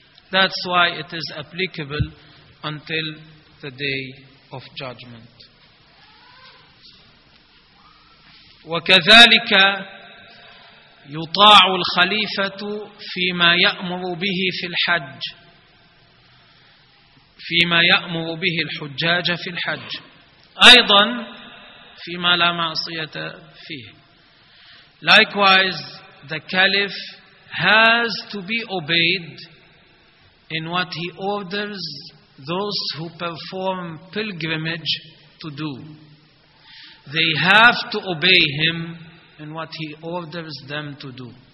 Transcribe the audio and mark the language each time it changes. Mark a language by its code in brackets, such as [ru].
[en] That's why it is applicable until the day of judgment. [ar] وكذلك يطاع الخليفة فيما يأمر به في الحج، فيما يأمر به الحجاج في الحج، أيضا فيما لا معصية فيه. [en] Likewise, the caliph has to be obeyed in what he orders those who perform pilgrimage to do. They have to obey him in what he orders them to do.